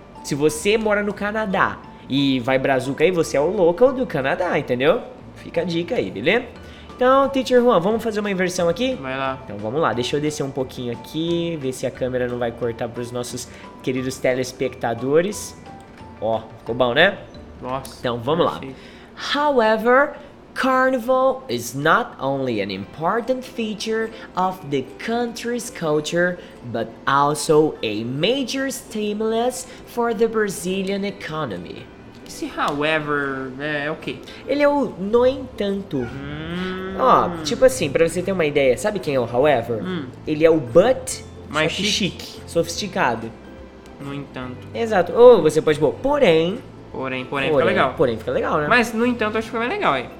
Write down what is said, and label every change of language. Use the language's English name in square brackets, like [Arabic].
[Portuguese] Se você mora no Canadá e vai brazuca aí, você é o local do Canadá, entendeu? Fica a dica aí, beleza? Então, Teacher Juan, vamos fazer uma inversão aqui? Vai lá. Então vamos lá, deixa eu descer um pouquinho aqui, ver se a câmera não vai cortar para os nossos queridos telespectadores. Ó, ficou bom, né? Nossa. Então vamos lá. [English] However, Carnival is not only an important feature of the country's culture, but also a major stimulus for the Brazilian economy. [Portuguese] Esse however é o quê? Ele é o no entanto. Ó, tipo assim, pra você ter uma ideia, sabe quem é o however? Ele é o but, mais chique. Chique, sofisticado. No entanto. Exato. Ou você pode pôr, porém. Porém, fica legal. Porém, fica legal, né? Mas, no entanto, acho que fica bem legal aí.